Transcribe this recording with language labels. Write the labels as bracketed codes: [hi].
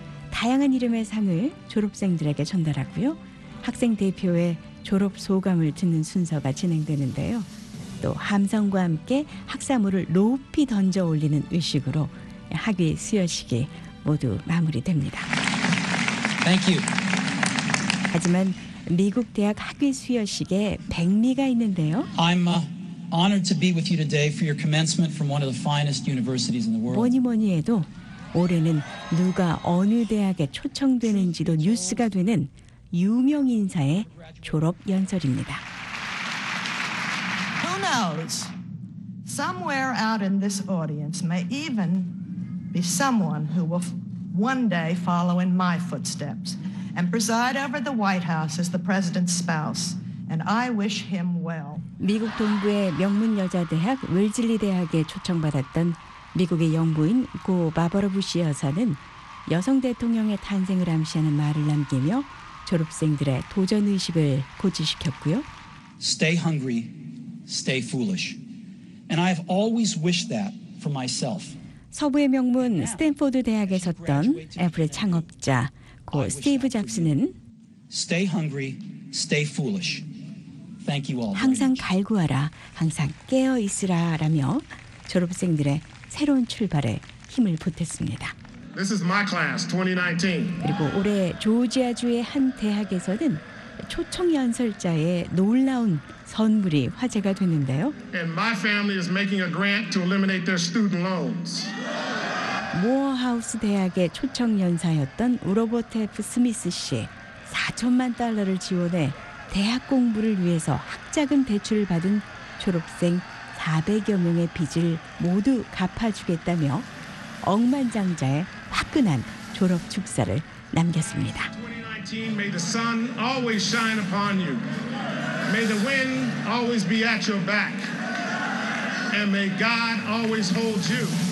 [ko] 다양한 이름의 상을 졸업생들에게 전달하고요. 학생 대표의 졸업 소감을 듣는 순서가 진행되는데요. 또 함성과 함께 학사모를 높이 던져 올리는 의식으로 학위 수여식이 모두 마무리됩니다. [en] Thank you. [ko] 하지만 미국 대학 학위 수여식에 백미가 있는데요. [en] I'm honored to be with you today for your commencement from one of the finest universities in the world. [ko] 뭐니 뭐니 해도 올해는 누가 어느 대학에 초청되는지도 뉴스가 되는 유명 인사의 졸업 연설입니다. [en] Who knows? Somewhere out in this audience may even be someone who will one day follow in my footsteps. And preside over the White House as the president's spouse, and I wish him well. [ko] 미국 동부의 명문 여자 대학 웰즐리 대학에 초청받았던 미국의 영부인 고 바버라 부시 여사는 여성 대통령의 탄생을 암시하는 말을 남기며 졸업생들의 도전 의식을 고취시켰고요. [en] Stay hungry, stay foolish. And I have always wished that for myself. [ko] 서부의 명문 스탠포드 대학에 섰던 애플의 창업자 고 스티브 잡스는 [en] Stay hungry, stay foolish. Thank you all. [ko] 항상 갈구하라, 항상 깨어 있으라라며 졸업생들의 새로운 출발에 힘을 보탰습니다. [en] This is my class, 2019. [ko] 그리고 올해 조지아주의 한 대학에서는 초청 연설자의 놀라운 선물이 화제가 됐는데요. [en] And my family is making a grant to eliminate their student loans. [ko] 모어하우스 대학의 초청 연사였던 로버트 F. 스미스 씨 4천만 달러를 지원해 대학 공부를 위해서 학자금 대출을 받은 졸업생 400여 명의 빚을 모두 갚아주겠다며 억만장자의 화끈한 졸업 축사를 남겼습니다. [en] 2019, may the sun always shine upon you. May the wind always be at your back. And may God always hold you.